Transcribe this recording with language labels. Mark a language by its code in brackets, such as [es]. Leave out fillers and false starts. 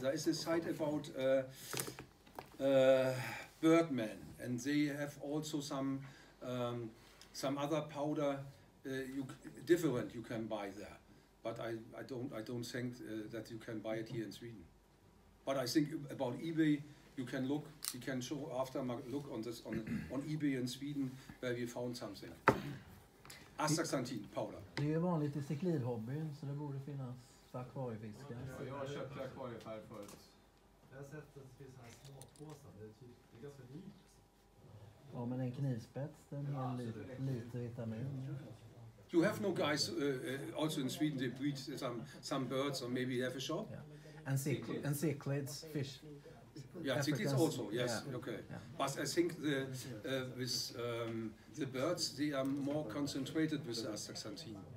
[en] There is a site about Birdman, and they have also some other powder different you can buy there. But I don't think that you can buy it here in Sweden. But I think about eBay, you can look, you can show after look on this on eBay in Sweden where we found something. Astaxanthin powder. [sv] Det är vanligt i cichlidhobbyn, så det borde finnas för akvariefiskar. Ja, jag köpte akvariefärg förut. Jag har sett att det finns en här småpåsar, det är ganska dyrt. Ja, men en knivspets, den är lite vitamin. [en] You have no guys also in Sweden, they breed some birds or maybe they have a shop? Yeah. And cichlids. And cichlids, fish. Yeah, cichlids also, yes, yeah. Okay. Yeah. But I think the with the birds, they are more concentrated with the astaxanthin.